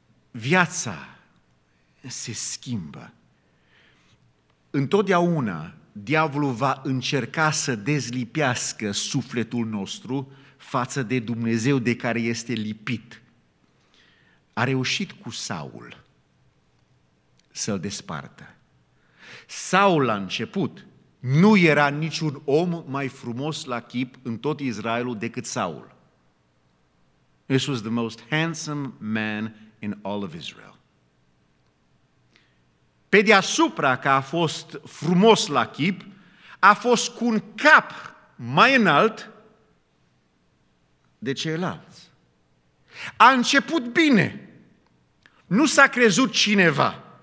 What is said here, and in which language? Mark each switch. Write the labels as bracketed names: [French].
[Romanian] Viața se schimbă. Întotdeauna diavolul va încerca să dezlipească sufletul nostru față de Dumnezeu de care este lipit. A reușit cu Saul să-l despartă. Saul la început nu era niciun om mai frumos la chip în tot Israelul decât Saul. [English] This was the most handsome man in all of Israel. [Romanian] Pe deasupra că a fost frumos la chip, a fost cu un cap mai înalt de ceilalți. A început bine. Nu s-a crezut cineva.